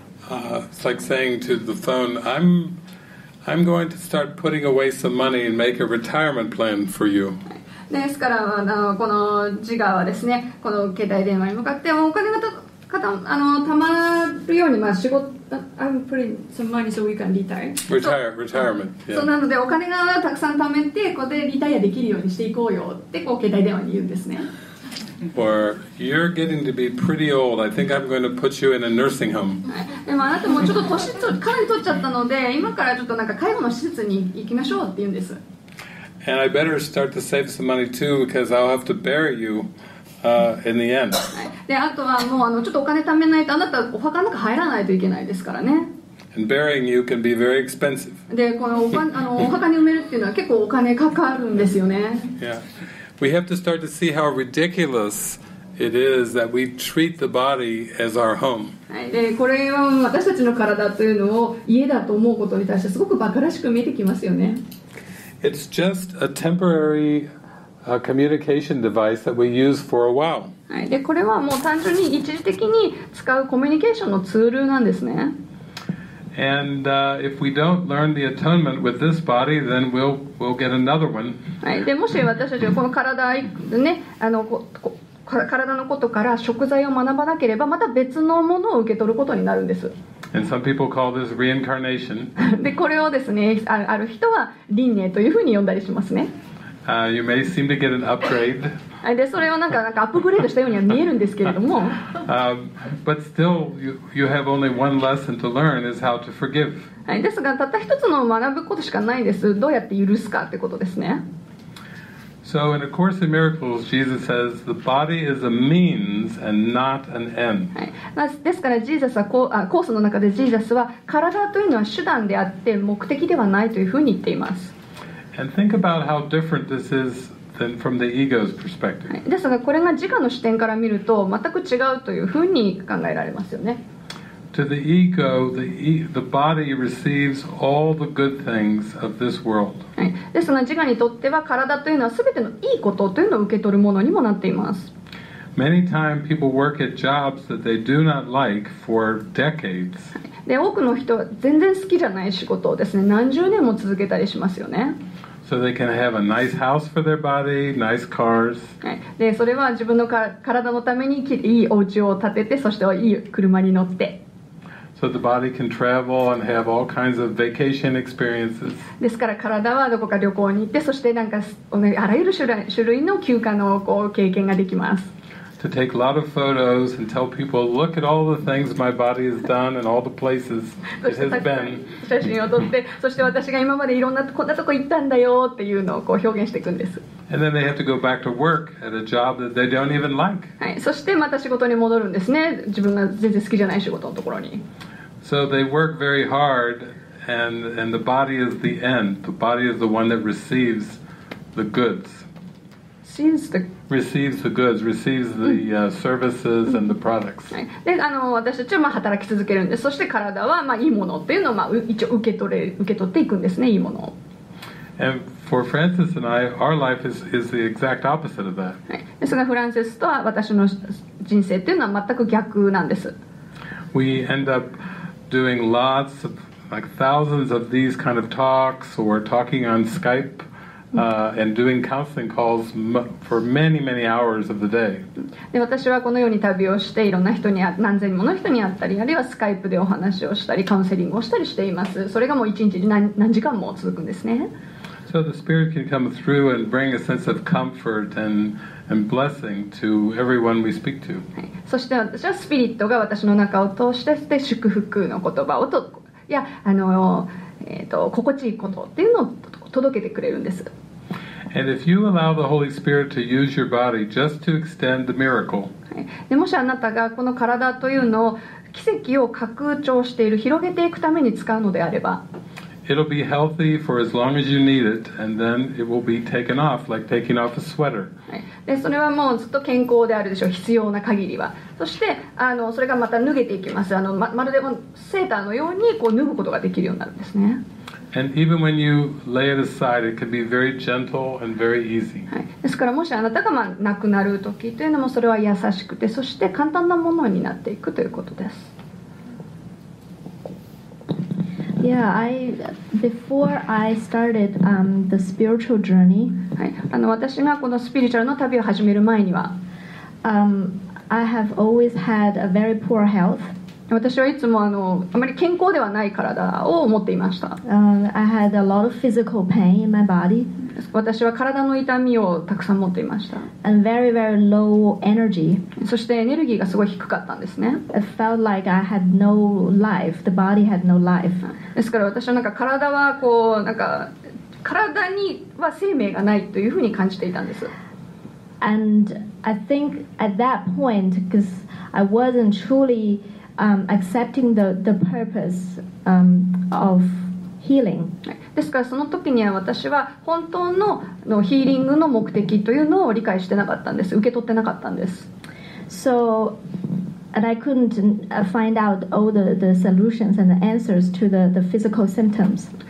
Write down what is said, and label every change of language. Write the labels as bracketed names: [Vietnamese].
[English] It's like saying to the phone, I'm going to start putting away some money and make a retirement plan for you. [Japanese] ですから、この自我はですね、この携帯電話に向かって、お金がたまるように、まあ、仕事、 [English] I'm putting some money so we can retire. Retirement, yeah. [Japanese] そうなので、お金がたくさん貯めて、ここでリタイアできるようにしていこうよって、こう携帯電話に言うんですね。 [English] Or you're getting to be pretty old. I think I'm going to put you in a nursing home. [Japanese] でもあなたもちょっと年とかなり取っちゃったので、今からちょっとなんか介護の施設に行きましょうって言うんです。 [English] And I better start to save some money too because I'll have to bury you, in the end. [Japanese] であとはもうちょっとお金貯めないとあなたお墓の中入らないといけないですからね。 [English] And burying you can be very expensive. [Japanese] で、このお墓に埋めるっていうのは結構お金かかるんですよね。 [English] Yeah. We have to start to see how ridiculous it is that we treat the body as our home. [Japanese] で、これは私たちの体というのを家だと思うことに対してすごく馬鹿らしく見えてきますよね。 [English] It's just a temporary communication device that we use for a while. [Japanese] で、これはもう単純に一時的に使うコミュニケーションのツールなんですね。 [English] And if we don't learn the atonement with this body, then we'll get another one. [Japanese] で、もし私たちはこの体ね、体のことから贖罪を学ばなければ、また別のものを受け取ることになるんです。 [English] And some people call this reincarnation. [Japanese] で、これをですね、ある人は輪廻というふうに呼んだりしますね。 [English] You may seem to get an upgrade. [Japanese] で、それはなんかアップグレードしたようには見えるんですけれども。 [English] But still, you have only one lesson to learn is how to forgive. [Japanese] はい、ですが、たった一つの学ぶことしかないんです。どうやって許すかってことですね。 [English] So in A Course in Miracles, Jesus says the body is a means and not an end. [Japanese] はい。ですから、ジーザスはコースの中でジーザスは体というのは手段であって目的ではないというふうに言っています。 [English] And think about how different this is than from the ego's perspective. [Japanese] はい。ですが、これが自我の視点から見ると全く違うというふうに考えられますよね。 [English] To the ego, the body receives all the good things of this world. [Japanese] ですが、自我にとっては体というのは全てのいいことというのを受け取るものにもなっています。 [English] Many times people work at jobs that they do not like for decades. [Japanese] で、多くの人は全然好きじゃない仕事をですね、何十年も続けたりしますよね。 [English] So they can have a nice house for their body, nice cars. [Japanese] で、それは自分の体のためにいいお家を建てて、そしていい車に乗って。 [English] So the body can travel and have all kinds of vacation experiences. [Japanese] ですから体はどこか旅行に行って、そしてなんかあらゆる種類の休暇のこう経験ができます。 [English] To take a lot of photos and tell people, look at all the things my body has done and all the places it has been. [Japanese] 写真を撮って、そして私が今までいろんなこんなとこ行ったんだよっていうのをこう表現していくんです。 [English] And then they have to go back to work at a job that they don't even like. [Japanese] はい、そしてまた仕事に戻るんですね。自分が全然好きじゃない仕事のところに。 [English] So they work very hard and the body is the end. The body is the one that receives the goods. Receives the goods, receives the services and the products. [Japanese] で、私たちはまあ働き続けるんで、そして体はまあいいものっていうのをまあ一応受け取っていくんですね、いいもの。 [English] And for Francis and I, our life is the exact opposite of that. [Japanese] ですが、フランセスとは私の人生っていうのは全く逆なんです。 [English] We end up doing lots of, like thousands of these kind of talks or talking on Skype. And doing counseling calls for many, many hours of the day. [Japanese] で、私はこのように旅をして、いろんな人に何千もの人に会ったり、あるいはスカイプでお話をしたり、カウンセリングをしたりしています。それがもう一日に何時間も続くんですね。 [English] So the spirit can come through and bring a sense of comfort and blessing to everyone we speak to. [Japanese] そして私はスピリットが私の中を通して祝福の言葉をといや心地いいことっていうのを。届けてくれるんです。 [English] And if you allow the Holy Spirit to use your body just to extend the miracle, [Japanese] もしあなたがこの体というのを奇跡を拡張している広げていくために使うのであれば、 [English] it'll be healthy for as long as you need it, and then it will be taken off like taking off a sweater. [Japanese] でそれはもうずっと健康であるでしょう。必要な限りは。そしてそれがまた脱げていきます。まるでもセーターのようにこう脱ぐことができるようになるんですね。 [English] And even when you lay it aside, it can be very gentle and very easy. [Japanese] ですからもしあなたがまあ亡くなる時というのもそれは優しくてそして簡単なものになっていくということです。 [English] Yeah, before I started the spiritual journey, [Japanese] はい、私がこのスピリチュアルの旅を始める前には、 [English] I have always had a very poor health. [Japanese] 私はいつもあまり健康ではない体を持っていました。 [English] I had a lot of physical pain in my body. [Japanese] 私は体の痛みをたくさん持っていました。 [English] And very, very low energy. [Japanese] そしてエネルギーがすごい低かったんですね。 [English] It felt like I had no life. The body had no life. [Japanese] ですから私はなんか体はこうなんか体には生命がないというふうに感じていたんです。 [English] And I think at that point, because I wasn't truly accepting the purpose of healing. [Japanese] ですからその時には私は本当のヒーリングの目的というのを理解してなかったんです。受け取ってなかったんです。 [English] So, and I couldn't find out all the solutions and the answers to the physical symptoms.